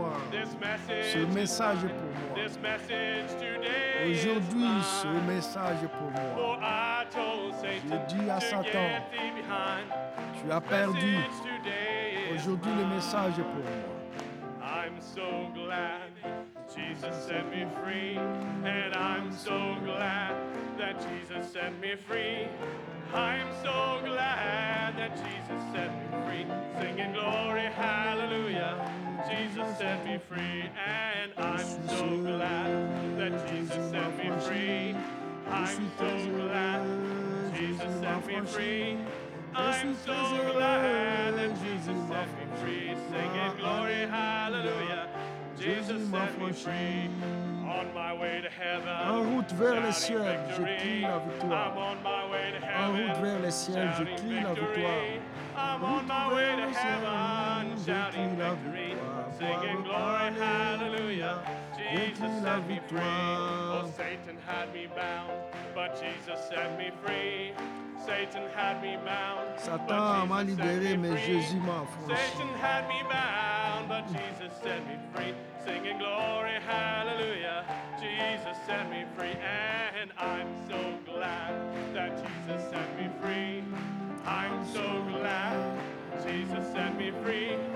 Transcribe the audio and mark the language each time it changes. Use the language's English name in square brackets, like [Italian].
[English] This message is mine. This message today is mine. [French] Aujourd'hui, ce message est pour moi. [English] For I told Satan, [French] je dis à Satan, tu as perdu. Aujourd'hui, le message est pour moi. [English] I'm so glad Jesus set me free. And I'm so glad that Jesus set me free. I'm so glad that Jesus set me free. Singing glory, hallelujah. Jesus set me free. And I'm so glad that Jesus set me free. I'm so glad Jesus set me free. I'm so glad that Jesus set me free. Singing glory, hallelujah. Jesus set me free. On my way to heaven, [French] en route vers les cieux, je crie la victoire. [English] I'm on my way to heaven, [French] en route vers les cieux, je crie la victoire. [English] I'm on my way to heaven, shouting victory. Singing glory, hallelujah. Jesus set me free. Oh, Satan had me bound, but Jesus set me free. Satan had me bound, but [French] Satan m'a libéré, mais Jésus m'a affranchi. [English] Satan had me bound, but Jesus set me free. Singing glory, hallelujah. Jesus set me free. And I'm so glad that Jesus set me free. I'm so glad Jesus set me free.